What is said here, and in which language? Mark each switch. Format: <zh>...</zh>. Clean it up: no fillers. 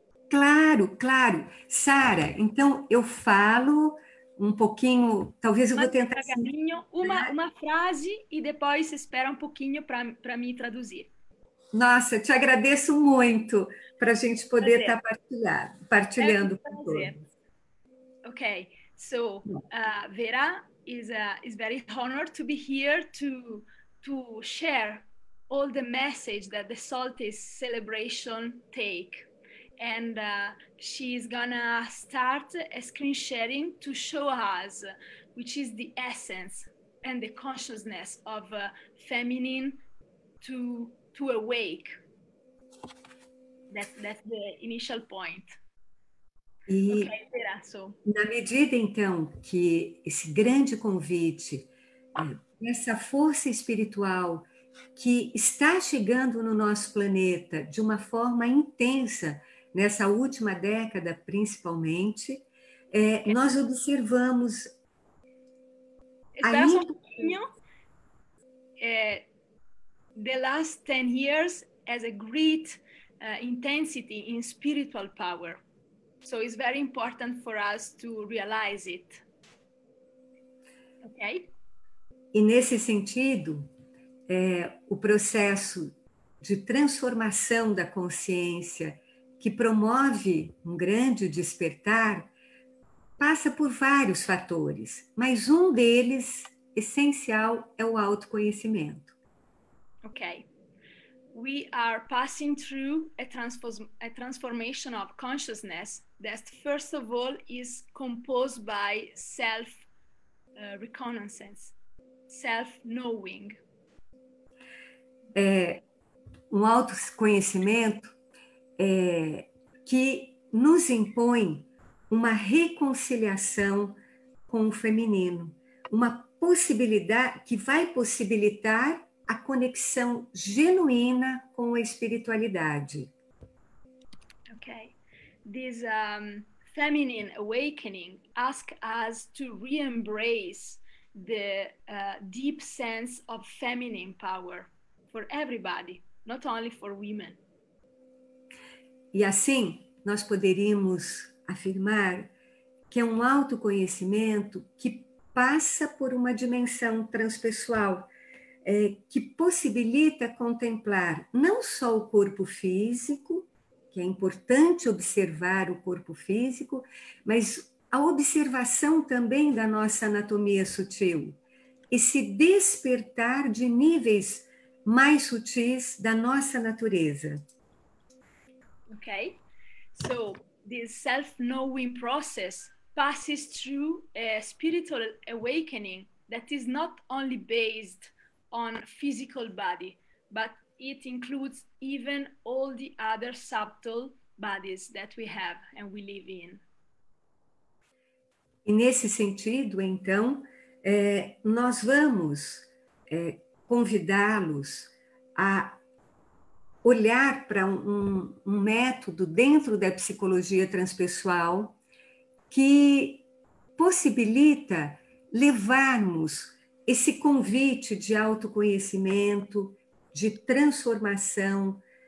<pt>Claro, claro. Sara, então eu falo... Um pouquinho, talvez eu vou tentar... Uma frase e depois espera um pouquinho para me traduzir. Nossa, te agradeço muito para a gente poder estar partilhando. É um prazer.</pt> <en>Ok, so Vera is very honored to be here to share all the message that the Saltis celebration take. And she's gonna start a screen sharing to show us which is the essence and the consciousness of feminine to awake. That's the initial point. E okay, Vera, so.</en> <pt>Na medida, então, que esse grande convite, essa força espiritual que está chegando no nosso planeta de uma forma intensa, nessa última década, principalmente, nós observamos... Espera um pouquinho.</pt> <en>The last 10 years has a great intensity in spiritual power. So it's very important for us to realize it. Ok?</en> <pt>E nesse sentido, o processo de transformação da consciência que promove um grande despertar, passa por vários fatores, mas um deles, essencial, é o autoconhecimento.</pt> <en>Okay. We are passing through a transformation of consciousness that first of all is composed by self-reconnaissance, self-knowing.</en> <pt>Um autoconhecimento que nos impõe uma reconciliação com o feminino, uma possibilidade que vai possibilitar a conexão genuína com a espiritualidade.</pt> <en>Okay. This feminine awakening asks us to re-embrace the deep sense of feminine power for everybody, not only for women.</en> <pt>E assim, nós poderíamos afirmar que é um autoconhecimento que passa por uma dimensão transpessoal, que possibilita contemplar não só o corpo físico, que é importante observar o corpo físico, mas a observação também da nossa anatomia sutil, esse despertar de níveis mais sutis da nossa natureza.</pt> <en>Ok, so this self-knowing process passes through a spiritual awakening that is not only based on physical body, but it includes even all the other subtle bodies that we have and we live in.</en> <pt>E nesse sentido, então, nós vamos convidá-los a olhar para um método dentro da psicologia transpessoal que possibilita levarmos esse convite de autoconhecimento, de transformação,</pt>